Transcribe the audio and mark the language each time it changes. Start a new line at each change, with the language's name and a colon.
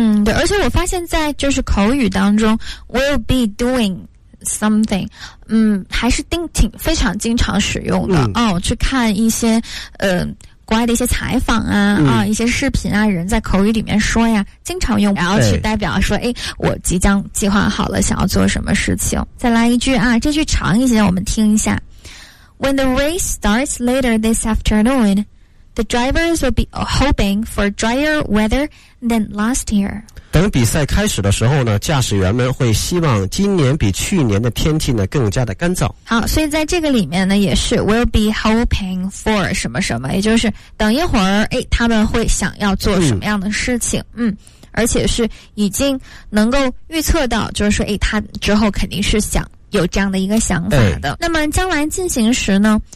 Chinese: 对，而且我发现在就是口语当中
English: will be doing something，
Chinese: 还是挺非常经常使用的。去看一些国外的一些采访啊，一些视频啊，人在口语里面说呀，经常用，然后去代表说，哎，我即将计划好了，想要做什么事情。再来一句啊，这句长一些，我们听一下。
English: When the race starts later this afternoon, the drivers will be hoping for drier weather than last year.
Chinese: 等比赛开始的时候呢，驾驶员们会希望今年比去年的天气呢更加的干燥。好，所以在这个里面呢也是
English: will be hoping for
Chinese: 什么什么，也就是等一会儿哎，他们会想要做什么样的事情。而且是已经能够预测到，就是说哎，他之后肯定是想有这样的一个想法的。那么将来进行时呢